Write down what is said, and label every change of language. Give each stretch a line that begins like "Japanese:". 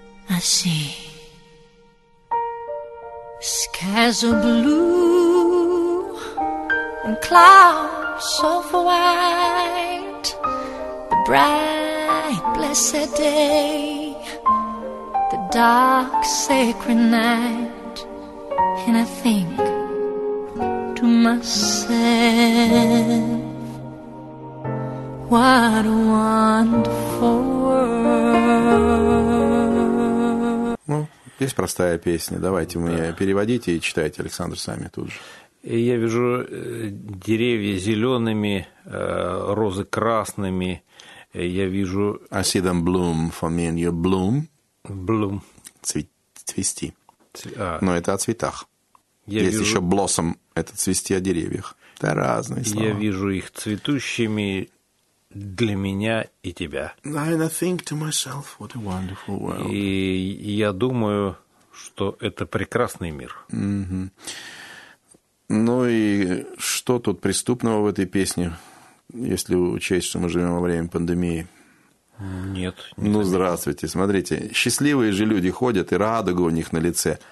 English: I see skies of blue and clouds of white, the bright blessed day, the dark sacred night, and I think to myself, what a wonderful
Russian: Здесь простая песня. Давайте вы ее переводите и читайте, Александр, сами тут же. Я вижу деревья зелеными, розы красными. Я вижу...
English: I see them bloom for me and you bloom. Bloom.
Russian: Цвести. Но это о цветах. Я Есть вижу... еще blossom, это цвести о деревьях. Это разные слова. Я вижу их цветущими для меня и тебя.
English: And I think to myself, what a wonderful world.
Russian: И я думаю, что это прекрасный мир. Mm-hmm. Ну и что тут преступного в этой песне, если учесть, что мы живем во время пандемии? Нет. Ну, здравствуйте. Смотрите, счастливые же люди ходят, и радуга у них на лице.